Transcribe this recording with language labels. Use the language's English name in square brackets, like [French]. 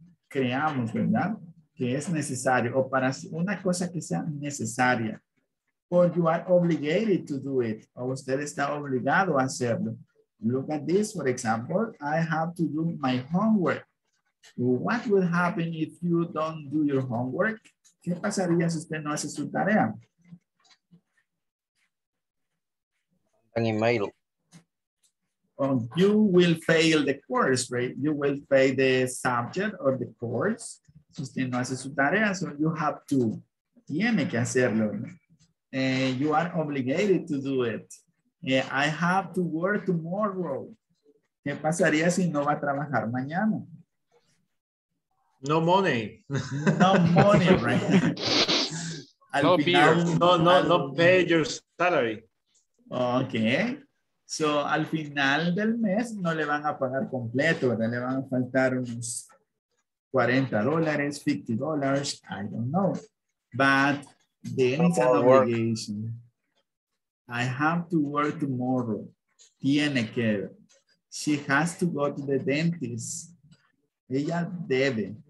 [Spanish] creamos, ¿verdad? Que es necesario, o para una cosa que sea necesaria. [English] Or you are obligated to do it. [Spanish] O usted está obligado a hacerlo. [English] Look at this, for example, I have to do my homework. What would happen if you don't do your homework? [Spanish] ¿Qué pasaría si usted no hace su tarea? [English] An email. Well, you will fail the course, right? You will fail the subject or the course. [Spanish] Si usted no hace su tarea, [English] so you have to, [Spanish] tiene que hacerlo. [English] You are obligated to do it. I have to work tomorrow. [Spanish] ¿Qué pasaría si no va a trabajar mañana? [English] No money. No money, right? No pay your salary. Okay. [Spanish] So, al final del mes no le van a pagar completo, ¿verdad? Le van a faltar unos $40, $50, [English] I don't know. But then it's an obligation. I have to work tomorrow. [Spanish] Tiene que. [English] She has to go to the dentist. [Spanish] Ella debe.